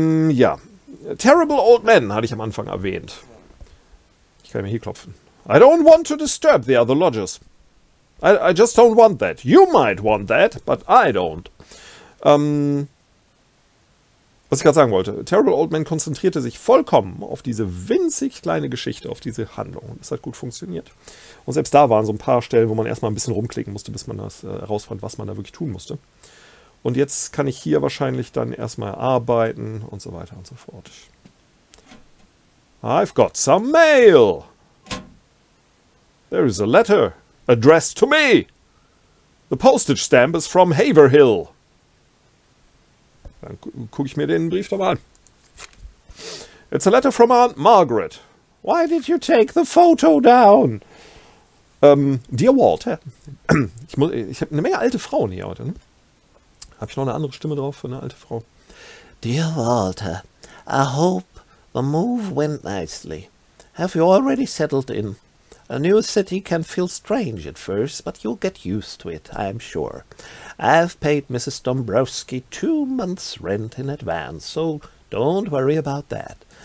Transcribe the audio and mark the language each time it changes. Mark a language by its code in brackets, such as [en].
[de] Ja, Terrible Old Man hatte ich am Anfang erwähnt. Ich kann mir hier klopfen. [en] I don't want to disturb the other lodgers. I just don't want that. You might want that, but I don't. [de] Was ich gerade sagen wollte, Terrible Old Man konzentrierte sich vollkommen auf diese winzig kleine Geschichte, auf diese Handlung. Das hat gut funktioniert. Und selbst da waren so ein paar Stellen, wo man erstmal ein bisschen rumklicken musste, bis man das herausfand, was man da wirklich tun musste. Und jetzt kann ich hier wahrscheinlich dann erstmal arbeiten und so weiter und so fort. [en] I've got some mail. There is a letter addressed to me. The postage stamp is from Haverhill. [de] Dann gucke ich mir den Brief doch mal an. [en] It's a letter from Aunt Margaret. Why did you take the photo down? Dear Walter. [de] Ich habe eine Menge alte Frauen hier heute. Ne? Habe ich noch eine andere Stimme drauf für eine alte Frau? [en] Dear Walter, I hope the move went nicely. Have you already settled in? A new city can feel strange at first, but you'll get used to it, I'm sure. I've paid Mrs. Dombrowski 2 months' rent in advance, so don't worry about that.